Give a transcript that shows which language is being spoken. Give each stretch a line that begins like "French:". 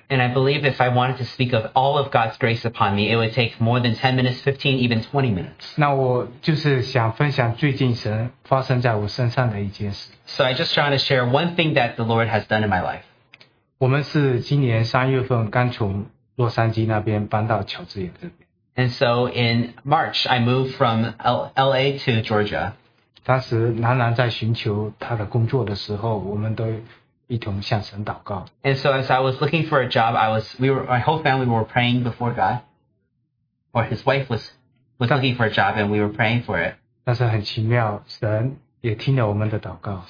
English: And I believe if I wanted to speak of all of God's grace upon me, it would take more than 10 minutes, 15, even 20 minutes.
Chinese: 那我就是想分享最近神发生在我身上的一件事。
English: So I just want to share one thing that the Lord has done in my life.
Chinese: 我们是今年3月份刚从洛杉矶那边搬到乔治亚这边。
English: And so in March, I moved from LA to Georgia.
Chinese: 当时楠楠在寻求她的工作的时候，我们都一同向神祷告。
English: And so as I was looking for a job, my whole family were praying before God. Or his wife was looking for a job, and we were praying for it.
Chinese: 但是很奇妙，神也听了我们的祷告。